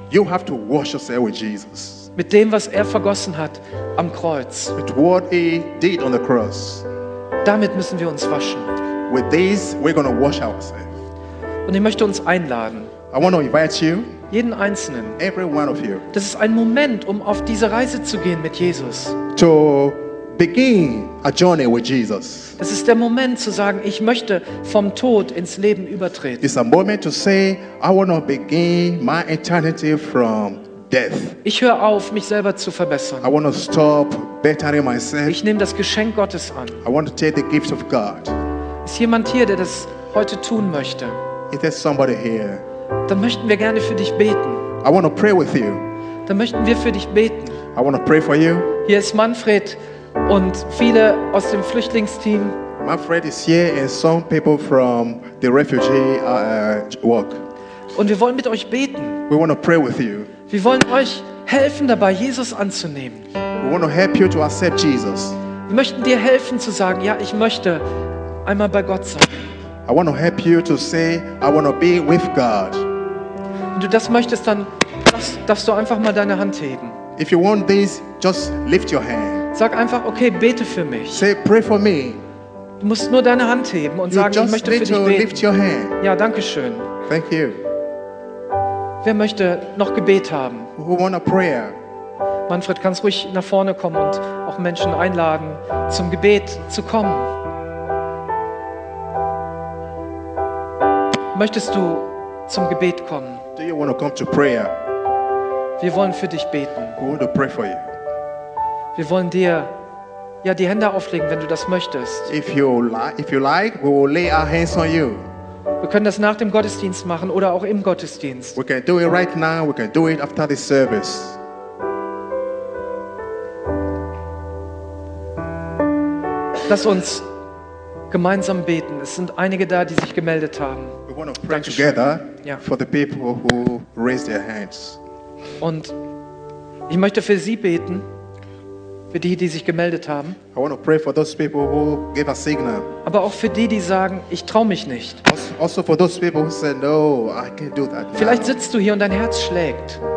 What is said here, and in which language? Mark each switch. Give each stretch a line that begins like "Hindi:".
English: You have to wash yourself with Jesus.
German: Mit dem, was er vergossen hat am Kreuz.
English: With what he did on the cross.
German: Damit müssen wir uns waschen.
English: With this, we're going to wash ourselves.
German: Und ich möchte uns einladen.
English: I want to invite you.
German: Jeden Einzelnen.
English: Every one of you.
German: Das ist ein Moment, um auf diese Reise zu gehen mit Jesus.
English: To begin a journey with Jesus.
German: Das ist der Moment zu sagen, ich möchte vom Tod ins Leben übertreten.
English: It's a moment to say, I want to begin my eternity from death.
German: Ich höre auf, mich selber zu verbessern.
English: I want to stop bettering myself.
German: Ich nehme das Geschenk Gottes an.
English: I want to take the gift of God.
German: Ist jemand hier, der das heute tun möchte?
English: Is there somebody here?
German: Dann möchten wir gerne für dich beten.
English: I want to pray with you.
German: Dann möchten wir für dich beten.
English: I want to pray for you.
German: Hier ist Manfred und viele aus dem Flüchtlingsteam.
English: Manfred is here and some people from the refugee work.
German: Und wir wollen mit euch beten.
English: We want to pray with you.
German: Wir wollen euch helfen dabei, Jesus anzunehmen.
English: We want to help you to accept Jesus.
German: Wir möchten dir helfen zu sagen, ja, ich möchte einmal bei Gott sein.
English: I want to help you to say, I want to be with God.
German: Wenn du das möchtest, dann darfst du einfach mal deine Hand heben.
English: If you want this, just lift your hand.
German: Sag einfach, okay, bete für mich.
English: Say, pray for me.
German: Du musst nur deine Hand heben und sagen, ich möchte für dich beten.
English: Lift your hand.
German: Ja, danke schön.
English: Thank you.
German: Wer möchte noch Gebet haben?
English: Who want a prayer?
German: Manfred, kannst ruhig nach vorne kommen und auch Menschen einladen, zum Gebet zu kommen. Möchtest du zum Gebet kommen?
English: Do you want to come to prayer?
German: Wir wollen für dich beten.
English: We want to pray for you.
German: Wir wollen dir ja die Hände auflegen, wenn du das möchtest.
English: If you like, we will lay our hands on you.
German: Wir können das nach dem Gottesdienst machen oder auch im Gottesdienst.
English: We can do it right now. We can do it after this service.
German: Lass uns gemeinsam beten. Es sind einige da, die sich gemeldet haben.
English: We want to pray together for the people who raised their hands.
German: Und ich möchte für Sie beten, für die, die sich gemeldet haben.
English: I want to pray for those people who gave a signal.
German: Aber auch für die, die sagen, ich traue mich nicht.
English: Also for those people who say, no, I can't do that.
German: Vielleicht sitzt du hier und dein Herz schlägt.